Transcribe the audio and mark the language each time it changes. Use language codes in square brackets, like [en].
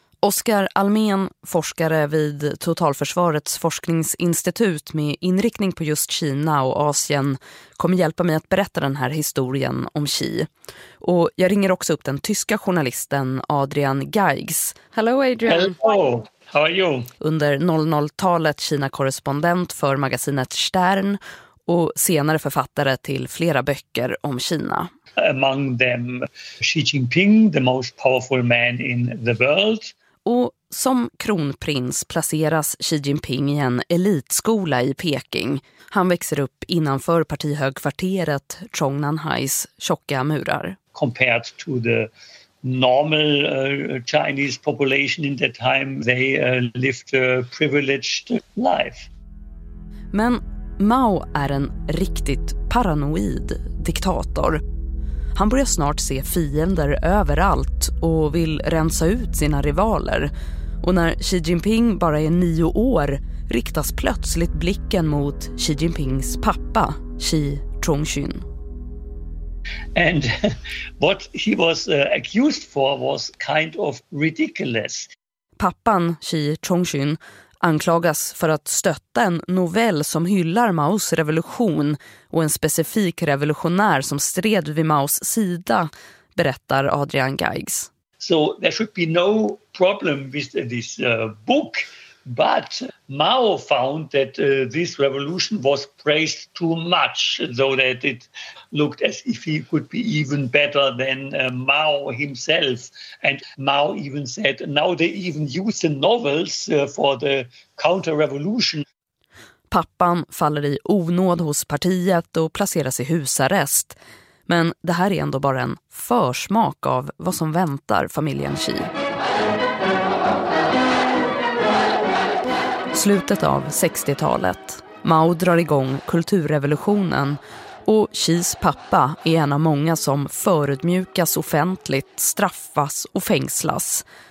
[sv] Oskar Almén, forskare vid Totalförsvarets forskningsinstitut med inriktning på just Kina och Asien, kommer hjälpa mig att berätta den här historien om Xi. Och jag ringer också upp den tyska journalisten Adrian Geigs. [en] Hello Adrian. Hello. How are you? [sv] Under 00-talet Kina-korrespondent för magasinet Stern och senare författare till flera böcker om Kina. [en] Among them Xi Jinping, the most powerful man in the world. [sv] Och som kronprins placeras Xi Jinping i en elitskola i Peking. Han växer upp innanför partihögkvarteret Zhongnanhais tjocka murar. [en] Compared to the normal Chinese population in that time, they lived a privileged life. [sv] Men Mao är en riktigt paranoid diktator. Han börjar snart se fiender överallt och vill rensa ut sina rivaler. Och när Xi Jinping bara är 9 år riktas plötsligt blicken mot Xi Jinpings pappa, Xi Chongqun. [en] And what he was accused for was kind of ridiculous. [sv] Pappan, Xi Chongqun, anklagas för att stötta en novell som hyllar Maos revolution och en specifik revolutionär som stred vid Maos sida, berättar Adrian Geigs. [en] So there should be no problem with this book, but Mao found that this revolution was praised too much, so that it looked as if he could be even better than Mao himself. And Mao even said, now they even use the novels for the counter-revolution. [sv] Pappan faller i onåd hos partiet och placeras i husarrest. Men det här är ändå bara en försmak av vad som väntar familjen Xi. Slutet av 60-talet. Mao drar igång kulturrevolutionen och Xis pappa är en av många som förutmjukas offentligt, straffas och fängslas.